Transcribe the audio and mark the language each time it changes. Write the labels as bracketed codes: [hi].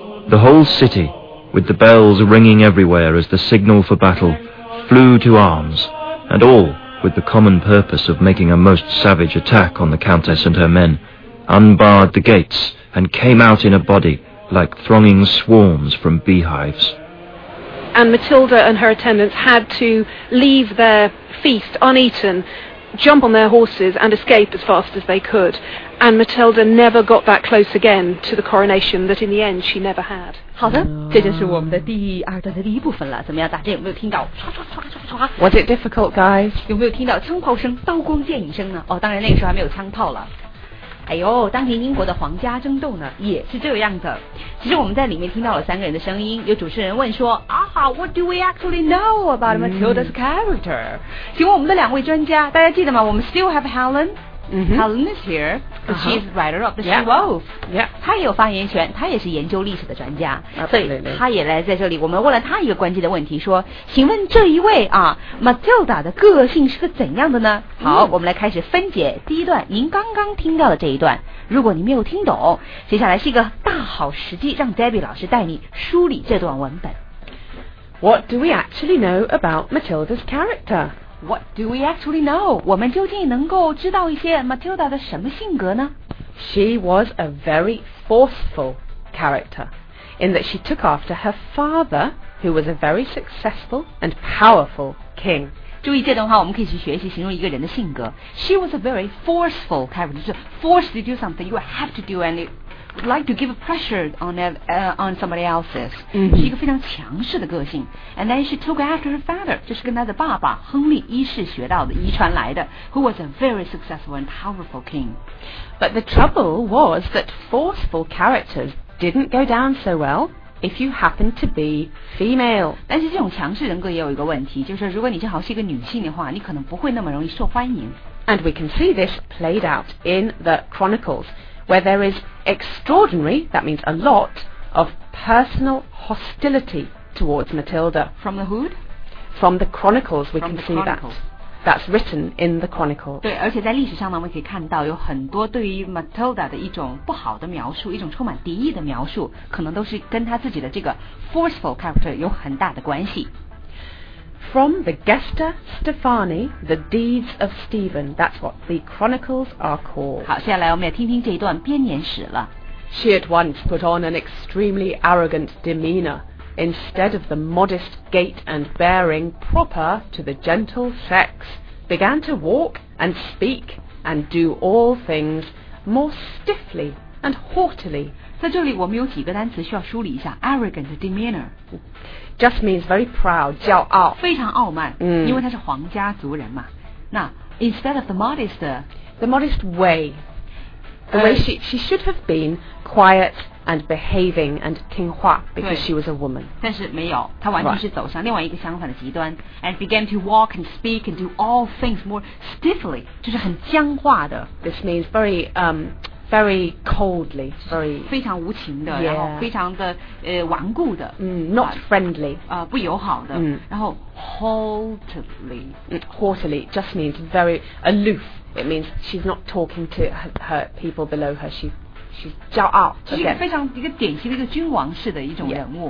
[en] The whole city, with the bells ringing everywhere as the signal for battle, flew to arms, and all with the common purpose of making a most savage attack on the Countess and her men, unbarred the gates and came out in a body like thronging swarms from beehives. And Matilda and her attendants had to leave their feast uneaten, jump on their horses and escape as fast as they could. And Matilda never got that close again to the coronation that in the end she never had. [zh] 好的，这就是我们的第二段的第一部分了。怎么样，大家有没有听到刷刷刷刷刷？ [en] Was it difficult, guys? [zh] 有没有听到枪炮声、刀光剑影声呢？哦，当然那个时候还没有枪炮了。哎呦，当年英国的皇家争斗呢也是这样的。其实我们在里面听到了三个人的声音，有主持人问说啊 [en] What do we actually know about Matilda's character? [zh] 请问我们的两位专家，大家记得吗？我们 [en] still have Helen、Helen is here because she's writer of the She-Wolf、 [zh] 她也有发言权，她也是研究历史的专家、所以她也来在这里，我们问了她一个关键的问题，说请问这一位啊 Matilda 的个性是个怎样的呢？好、我们来开始分解第一段您刚刚听到的这一段。如果你没有听懂，接下来是一个大好时机，让 Debbie 老师带你梳理这段文本。 [en] What do we actually know about Matilda's character? What do we actually know? [zh] 我们究竟能够知道一些 Matilda 的什么性格呢？ [en] She was a very forceful character in that she took after her father, who was a very successful and powerful king. [zh] 注意这段话我们可以去学习形容一个人的性格。 [en] She was a very forceful character, [zh] 就是 [en] forced to do something, you have to do and it would like to give pressure on somebody else's.、 [zh] 是一个非常强势的个性。 [en] And then she took after her father. [zh] 这是跟她的爸爸亨利一世学到的，遗传来的。 [en] Who was a very successful and powerful king. But the trouble was that forceful characters didn't go down so well if you happened to be female. [zh] 但是这种强势人格也有一个问题，就是如果你正好是一个女性的话，你可能不会那么容易受欢迎。 [en] And we can see this played out in the Chronicles. Where there is extraordinary, that means a lot, of personal hostility towards Matilda. From the hood? From the Chronicles, we can see that's written in the Chronicles. [zh] 对，而且在历史上呢，我们可以看到有很多对于 Matilda 的一种不好的描述，一种充满敌意的描述，可能都是跟她自己的这个 forceful character 有很大的关系。 [en] From the Gesta Stefani, the deeds of Stephen. That's what the chronicles are called. [zh] 好，接下来我们要听听这一段编年史了。 [en] She at once put on an extremely arrogant demeanor, instead of the modest gait and bearing proper to the gentle sex, began to walk and speak and do all things more stiffly and haughtily. [zh] 在这里我们有几个单词需要梳理一下 arrogant demeanor. [en] Just means very proud, 骄傲 [zh] 非常傲慢、因为他是皇家族人嘛。那 [en] instead of the modest the modest way. The way she should have been quiet and behaving and 听话 because she was a woman. [zh] 但是没有，她完全是走向另外一个相反的极端 [en] and began to walk and speak and do all things more stiffly, [zh] 就是很僵化的。 [en] This means very, very coldly, very [zh] 非常无情的， [en] yeah. [zh] 然后非常的顽固的。 [en] Not friendly. [zh] 不友好的。然后 haughtily. [en] Haughtily just means very aloof. It means she's not talking to her people below her. She's 骄傲 [zh] 这是一个非常一个典型的一个君王式的一种人物